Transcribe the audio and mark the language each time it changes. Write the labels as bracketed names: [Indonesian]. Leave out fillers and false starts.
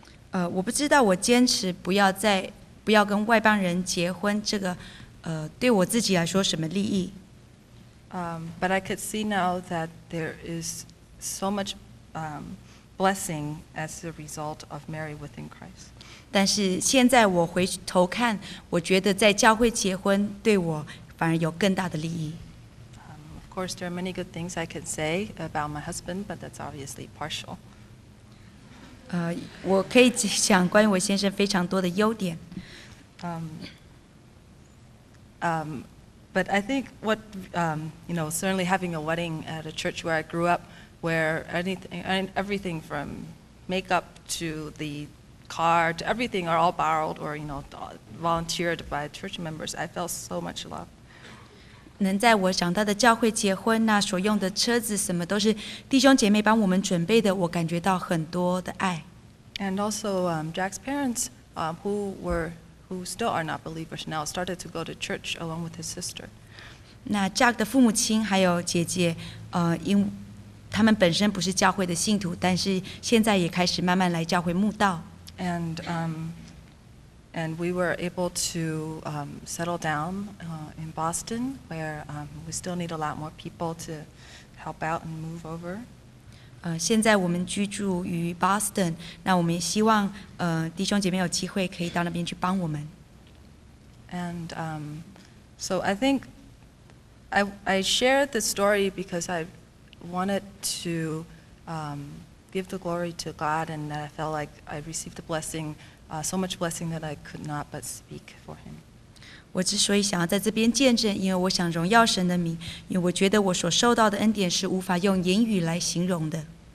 [Chinese] 我不知道我坚持不要跟外邦人结婚这个对我自己来说什么利益。 [English] But I could see now that there is so much blessing as a result of marriage within Christ. [Chinese] 但是现在我回头看，我觉得在教会结婚对我反而有更大的利益。 [English] Of course, there are many good things I could say about my husband, but that's obviously partial. [Chinese] 我可以讲关于我先生非常多的优点。 [English] But I think what certainly having a wedding at a church where I grew up. Where everything from makeup to the car to everything are all borrowed or volunteered by church members. I felt so much love. [Chinese] 能在我长大的教会结婚，那所用的车子什么都是弟兄姐妹帮我们准备的，我感觉到很多的爱。 [English] And also, Jack's parents, who still are not believers now, started to go to church along with his sister. [Chinese] 那 Jack 的父母亲还有姐姐，因他们本身不是教会的信徒，但是现在也开始慢慢来教会慕道。 [English] And and we were able to settle down in Boston, where we still need a lot more people to help out and move over. [Chinese] 现在我们居住于 Boston， 那我们也希望弟兄姐妹有机会可以到那边去帮我们。 [English] And so I think I share this story because I wanted to give the glory to God, and that I felt like I received a blessing, so much blessing that I could not but speak for Him. [Chinese] 我之所以想要在这边见证，因为我想荣耀神的名，因为我觉得我所受到的恩典是无法用言语来形容的。